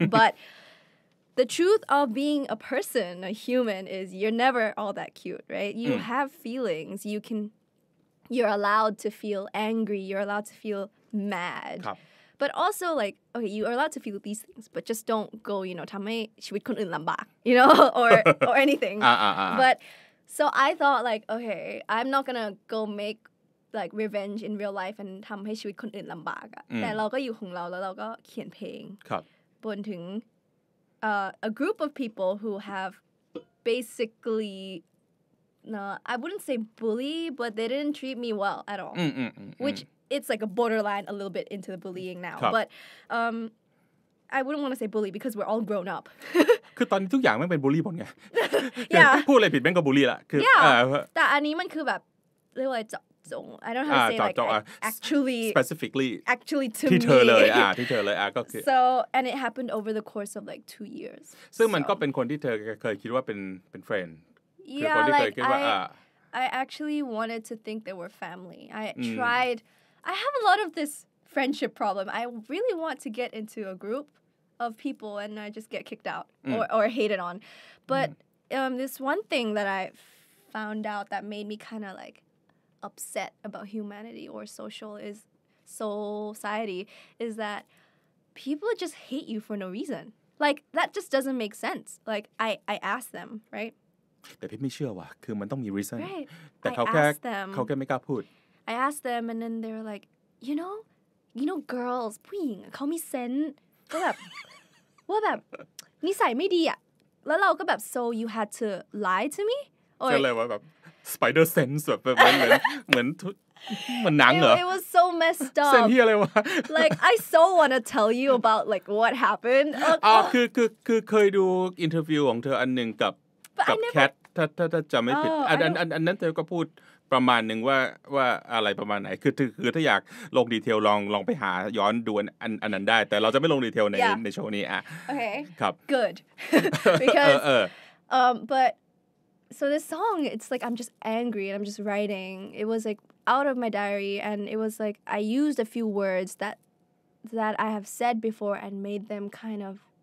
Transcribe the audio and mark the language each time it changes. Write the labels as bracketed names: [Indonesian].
[English] But the truth of being a person, a human, is you're never all that cute, right? You have feelings. You're allowed to feel angry. You're allowed to feel mad. But also, like, okay, you are allowed to feel these things, but just don't go, you know, [Thai] ทำให้ชีวิตคนอื่นลำบาก, [English] you know, or anything. But... So I thought like, okay, I'm not gonna go make like revenge in real life and [Thai] ทำให้ชีวิตคนอื่นลำบากอ่ะแต่เราก็อยู่ของเราแล้วเราก็เขียนเพลง ครับ [English] บนถึง a group of people who have basically I wouldn't say bully but they didn't treat me well at all which it's like a borderline a little bit into the bullying now but I wouldn't want to say bully because we're all grown up. [Thai] คือตอนนี้ทุกอย่างแม่งเป็นบูลลี่หมดไง [English] yeah. [Thai] พูดอะไรผิดแม่งก็บูลลี่ละคือ [English] yeah. [Thai] แต่อันนี้มันคือแบบเรียกว่าจง [English] I don't have to say like actually specifically to me [Thai] ที่เธอเลยก็คือ [English] so and it happened over the course of like 2 years [Thai] ซึ่งมันก็เป็นคนที่เธอเคยคิดว่าเป็น friend [English] yeah like I actually wanted to think they were family I tried I have a lot of this friendship problem I really want to get into a groupof people and I just get kicked out or hated on. But this one thing that I found out that made me kind of like upset about humanity or society is that people just hate you for no reason. Like that just doesn't make sense. Like I asked them, right? [Thai] แต่พี่ไม่เชื่อว่ะคือมันต้องมี reason. [English] Right. [Thai] แต่เขาแค่ไม่กล้าพูด. [English] I asked them and then they were like, you know girls, [Thai] ผู้หญิง เขามี [English] sense. [Thai] ว่าแบบนิสัยไม่ดีอ่ะแล้วเราก็แบบ [English] so you had to lie to me [Thai] ใช่เลยว่าแบบ spider sense แบบเหมือนหนังเหรอ [English] it was so messed up [Thai] เซนที่อะไรวะ [English] like I so wanna tell you about like what happened [Thai] คือเคยดูอินเทอร์วิวของเธออันหนึ่งกับแคทถ้าจำไม่ผิดอันนั้นเธอก็พูดประมาณหนึ่งว่าอะไรประมาณไหนคือถ้าอยากลงดีเทลลองไปหาย้อนดูอันนั้นได้แต่เราจะไม่ลงดีเทลใน [English] yeah. [Thai] ในโชว์นี้อ่ะ โอเค ครับ [English] good because but so this song it's like I'm just angry and I'm just writing it was like out of my diary and it was like I used a few words that I have said before and made them kind of